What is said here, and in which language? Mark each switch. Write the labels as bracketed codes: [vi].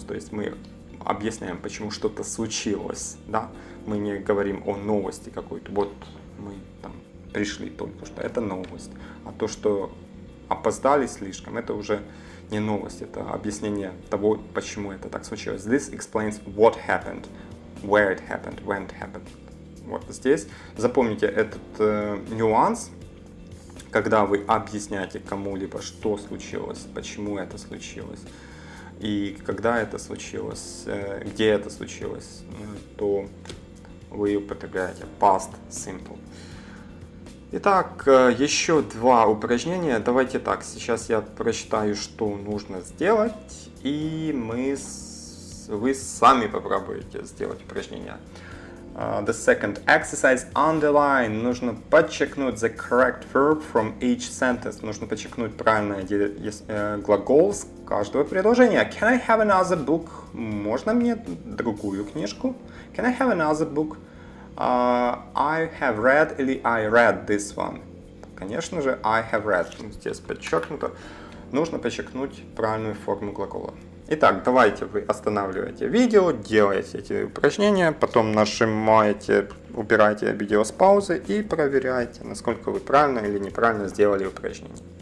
[ru] То есть мы объясняем, почему что-то случилось. Да? Мы не говорим о новости какой-то. Вот мы там пришли только что, это новость. А то, что опоздали слишком, это уже не новость, это объяснение того, почему это так случилось. [en] This explains what happened, where it happened, when it happened. [ru] Вот здесь. Запомните этот нюанс, когда вы объясняете кому-либо, что случилось, почему это случилось, и когда это случилось, где это случилось, то вы употребляете past simple. Итак, еще два упражнения. Давайте так, сейчас я прочитаю, что нужно сделать, и вы сами попробуете сделать упражнение. [en] The second exercise, underline. [ru] Нужно подчеркнуть [en] the correct verb from each sentence. [ru] Нужно подчеркнуть правильный глагол с каждого предложения. [en] Can I have another book? [ru] Можно мне другую книжку? [en] Can I have another book? I have read или I read this one. [ru] Конечно же, [en] I have read. [ru] Здесь подчеркнуто. Нужно подчеркнуть правильную форму глагола. Итак, давайте вы останавливаете видео, делаете эти упражнения, потом нажимаете, убираете видео с паузы и проверяете, насколько вы правильно или неправильно сделали упражнение.